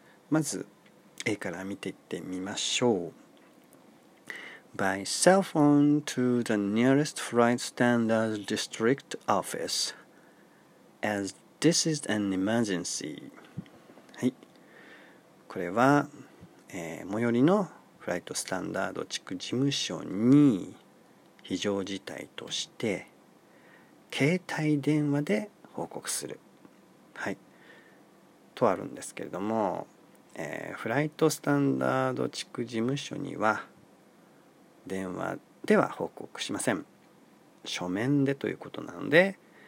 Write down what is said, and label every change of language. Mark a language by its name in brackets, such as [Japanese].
[Japanese] まず A から見ていってみましょう。 [English] By cell phone to the nearest flight standards district office, as this is an emergency. [Japanese] はい。これは、最寄りのフライトスタンダード地区事務所に非常事態として、携帯電話で報告する。はい。とあるんですけれども、フライトスタンダード地区事務所には、電話では報告しません。書面でということなので、